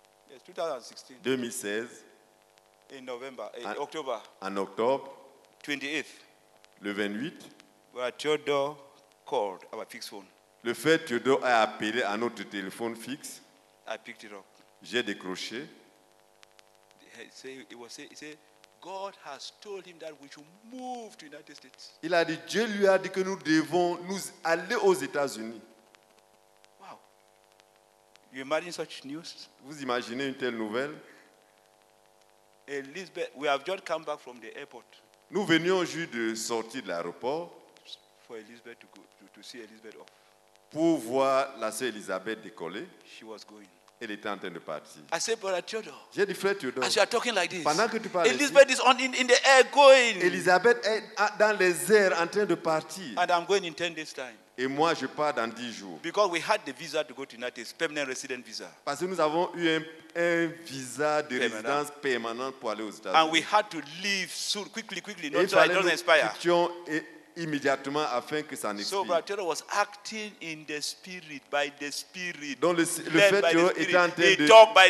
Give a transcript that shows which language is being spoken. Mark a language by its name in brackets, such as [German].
[English] Yes, 2016. [French] 2016. [English] In November, in October. [French] En octobre. [English] 28th. [French] Le 28. [English] Where Theodore called our fixed phone. [French] Le fait Theodore a appelé à notre téléphone fixe. [English] I picked it up. [French] J'ai décroché. [English] He said, God has told him that we should move to the United States. [French] Il a dit, Dieu lui a dit que nous devons nous aller aux États-Unis. [English] Wow. You imagine such news? [French] Vous imaginez une telle nouvelle? [English] Elizabeth, we have just come back from the airport. [French] Nous venions juste de sortir de l'aéroport. [English] For Elizabeth to see Elizabeth off. [French] Pour voir la sœur Elizabeth décoller. [English] She was going. [French] Elle était en train de partir. [English] I said, Brother Theodore. [French] J'ai dit, frère Theodore. [English] As you are talking like this. [French] Pendant que tu parles. [English] Elizabeth is in the air going. [French] Elizabeth est dans les airs en train de partir. [English] And I'm going in 10 days time. [French] Et moi, je pars dans 10 jours. [English] Because we had the visa to go to United States, permanent resident visa. [French] Parce que nous avons eu un visa de résidence permanente pour aller aux États-Unis. [English] And we had to leave soon, quickly, not so I don't expire. [French] Et immédiatement afin que ça n'expire. [English] So Brother Theodore was acting in the spirit, by the spirit. [French] Donc le fait que Dieu était en train